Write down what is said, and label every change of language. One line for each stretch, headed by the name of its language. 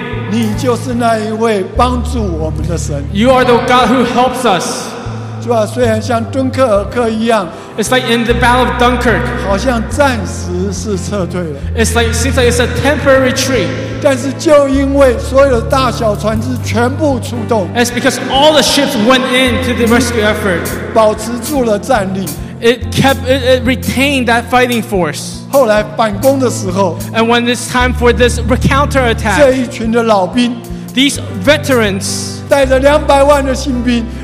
Chinese: 你就是那一位帮助我们的神。
English: You are the God who helps us.
Chinese: 主啊，虽然像敦刻尔克一样。
English: It's like in the Battle of Dunkirk.
Chinese: 好像暂时是撤退了。
English: It's like, seems like it's a temporary retreat.
Chinese: 但是就因为所有的大小船只全部出动。
English: It's because all the ships went into the rescue effort.
Chinese: 保持住了战力。
English: It retained that fighting force.
Chinese: 后来反攻的时候,
English: and when it's time for this counter attack,
Chinese: 这一群的老兵,
English: these veterans,
Chinese: 带着两百万的新兵,